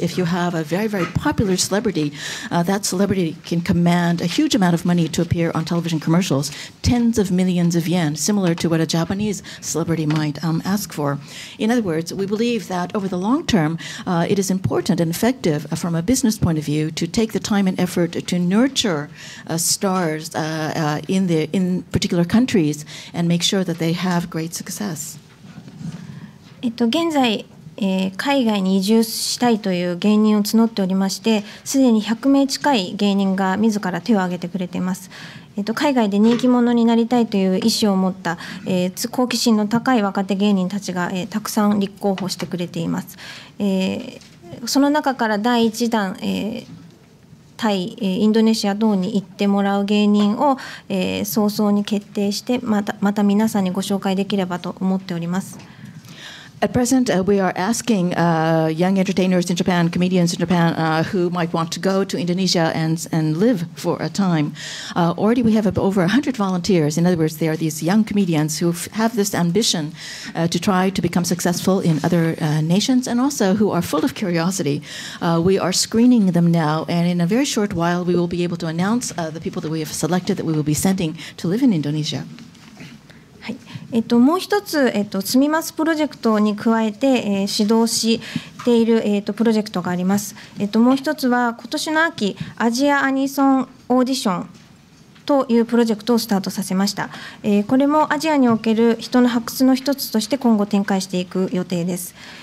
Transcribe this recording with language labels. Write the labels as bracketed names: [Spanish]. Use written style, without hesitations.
[English] If you have a very, very popular celebrityThat celebrity can command a huge amount of money to appear on television commercials, tens of millions of yen, similar to what a Japanese celebrity might ask for. In other words, we believe that over the long term, it is important and effective from a business point of view to take the time and effort to nurture stars in particular countries and make sure that they have great success. [Japanese] 現在海外に移住したいという芸人を募っておりまして、すでに100名近い芸人が自ら手を挙げてくれています。海外で人気者になりたいという意思を持った、好奇心の高い若手芸人たちが、たくさん立候補してくれています。その中から第1弾、タイ、インドネシア等に行ってもらう芸人を、早々に決定して、また皆さんにご紹介できればと思っております。 [English] At present, we are asking young entertainers in Japan, comedians in Japan, who might want to go to Indonesia and live for a time. Already we have over 100 volunteers. In other words, they are these young comedians who have this ambition to try to become successful in other nations and also who are full of curiosity. We are screening them now, and in a very short while, we will be able to announce the people that we have selected that we will be sending to live in Indonesia. [Japanese] もう一つ、住みますプロジェクトに加えて、指導しているプロジェクトがあります。もう一つは今年の秋、アジアアニソンオーディションというプロジェクトをスタートさせました。これもアジアにおける人の発掘の一つとして今後展開していく予定です。